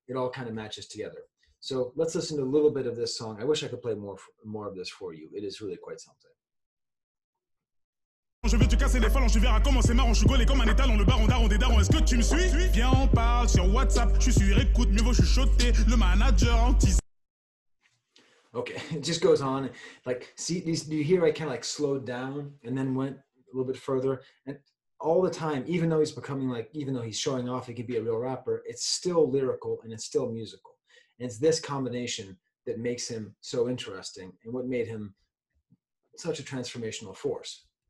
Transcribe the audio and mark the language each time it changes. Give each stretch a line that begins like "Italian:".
English: It all kind of matches together. So let's listen to a little bit of this song. I wish I could play more of this for you. It is really quite something.
French: Je veux te casser les phalanges, tu verras comment c'est marrant. Je suis collé comme un étalon, le baron daron des darons. Est-ce que tu me suis? Viens, on parle sur WhatsApp. Je suis sur écoute, mieux vaut chuchoter. Le manager anti.
English: Okay, it just goes on. Like, see, do you hear I kind of like slowed down and then went a little bit further? And all the time, even though he's becoming like, even though he's showing off, he could be a real rapper, it's still lyrical and it's still musical. And it's this combination that makes him so interesting and what made him such a transformational force.